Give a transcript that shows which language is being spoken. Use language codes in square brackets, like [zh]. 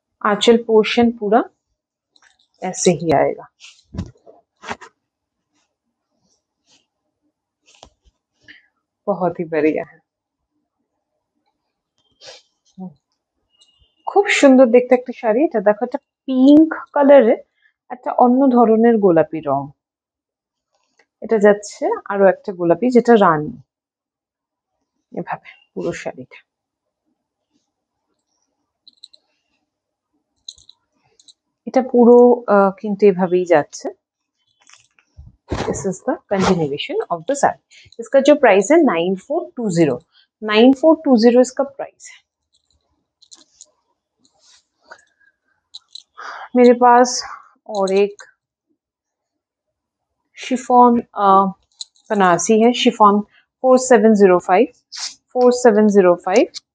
[hi] आंचल portion पूरा ऐसे ही आएगा। बहुत ही बढ़िया है, [bn] खूब सुंदर देखते एक साड़ी। এটা দেখো এটা পিঙ্ক কালার একটা অন্য ধরনের গোলাপি রং। এটা যাচ্ছে আরো একটা গোলাপি যেটা রানী, এভাবে পুরো শাড়িটা। এটা পুরো কিন্তু এভাবেই যাচ্ছে। [en] This is the continuation of the saree. [hi] इसका जो प्राइस है 9420, 9420 इसका प्राइस है। मेरे पास और एक शिफॉन बनारसी है, शिफॉन 4705।